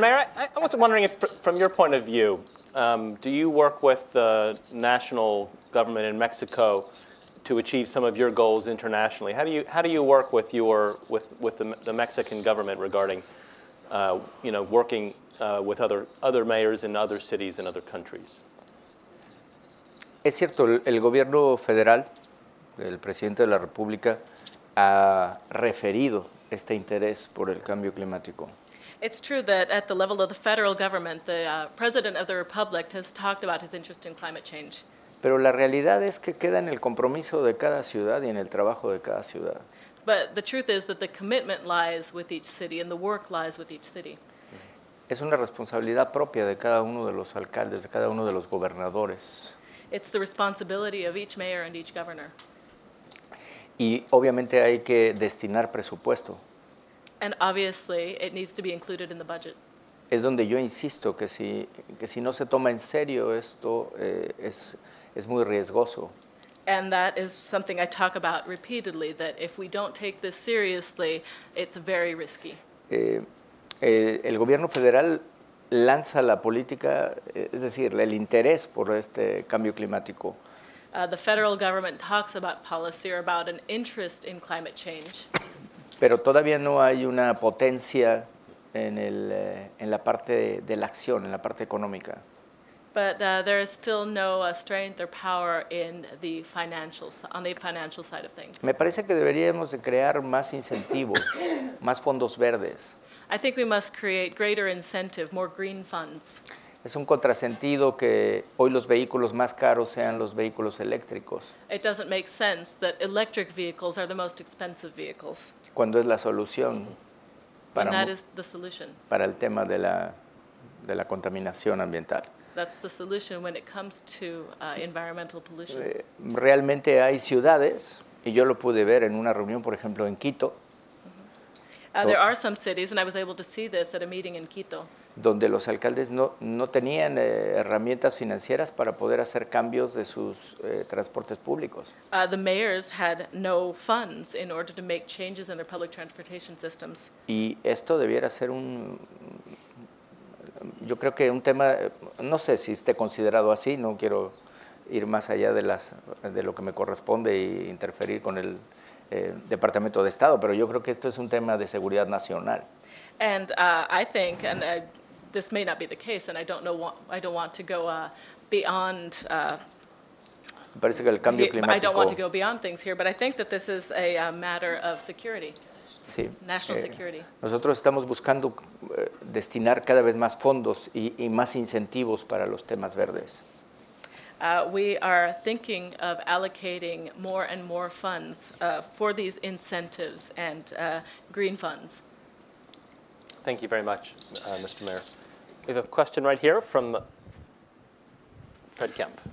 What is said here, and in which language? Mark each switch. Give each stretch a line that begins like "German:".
English: Mayor, I was wondering if, from your point of view, do you work with the national government in Mexico to achieve some of your goals internationally? How do you work with the Mexican government regarding working with other mayors in other cities and other countries?
Spanish: Es cierto, el gobierno federal, el presidente de la República, ha referido este interés por el cambio climático.
English: It's true that at the level of the federal government, the president of the Republic has talked about his interest in climate change.
Spanish: Pero la realidad es que queda en el compromiso de cada ciudad y en el trabajo de cada ciudad.
English: But the truth is that the commitment lies with each city and the work lies with each city.
Spanish: Es una responsabilidad propia de cada uno de los alcaldes, de cada uno de los gobernadores.
English: It's the responsibility of each mayor and each governor.
Spanish: Y obviamente hay que destinar presupuesto.
English: And obviously it needs to be included in the budget.
Spanish: Es donde yo insisto que si no se toma en serio esto, es muy riesgoso.
English: And that is something I talk about repeatedly, that if we don't take this seriously, it's very risky.
Spanish: El gobierno federal lanza la política, es decir, el interés por este cambio climático.
English: The federal government talks about policy or about an interest in climate change.
Spanish: Pero todavía no hay una potencia en la parte de la acción, en la parte económica.
English: But there is still no strength or power on the financial side of things.
Spanish: Me parece que deberíamos de crear más incentivos, más fondos verdes.
English: I think we must create greater incentive, more green funds.
Spanish: Es un contrasentido que hoy los vehículos más caros sean los vehículos eléctricos.
English: It doesn't make sense that electric vehicles are the most expensive vehicles.
Spanish: Cuando es la solución para,
English: and that is the solution.
Spanish: Para el tema de la contaminación ambiental.
English: that's the solution when it comes to environmental pollution.
Spanish: Realmente hay ciudades, y yo lo pude ver en una reunión, por ejemplo, en Quito.
English: There are some cities, and I was able to see this at a meeting in Quito.
Spanish: Donde los alcaldes no tenían herramientas financieras para poder hacer cambios de sus transportes públicos.
English: The mayors had no funds in order to make changes in their public transportation systems.
Spanish: Y esto debiera ser un, yo creo que un tema, no sé si esté considerado así, no quiero ir más allá de las de lo que me corresponde e interferir con el Departamento de Estado, pero yo creo que esto es un tema de seguridad nacional.
English: And I think, and this may not be the case, and I don't want to go beyond.
Spanish: Parece que el cambio climático.
English: I don't want to go beyond things here, but I think that this is a matter of security.
Spanish: Sí.
English: National security.
Spanish: Nosotros estamos buscando destinar cada vez más fondos y más incentivos para los temas verdes.
English: We are thinking of allocating more and more funds for these incentives and green funds. Thank you very much, Mr. Mayor. We have a question right here from Fred Kemp.